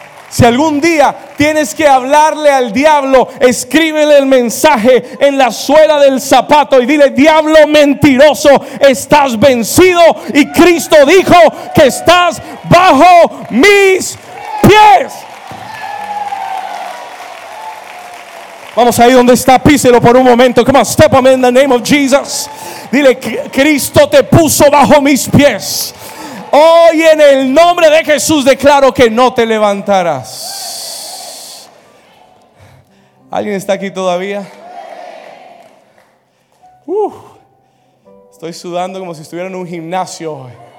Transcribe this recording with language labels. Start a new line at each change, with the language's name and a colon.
Spanish: Si algún día tienes que hablarle al diablo, escríbele el mensaje en la suela del zapato y dile: diablo mentiroso, estás vencido y Cristo dijo que estás bajo mis pies. Pies. Vamos ahí donde está, píselo por un momento.
English: Come on, step on in the name of Jesus.
Spanish: Dile: Cristo te puso bajo mis pies. Hoy en el nombre de Jesús declaro que no te levantarás. ¿Alguien está aquí todavía? Estoy sudando como si estuviera en un gimnasio hoy.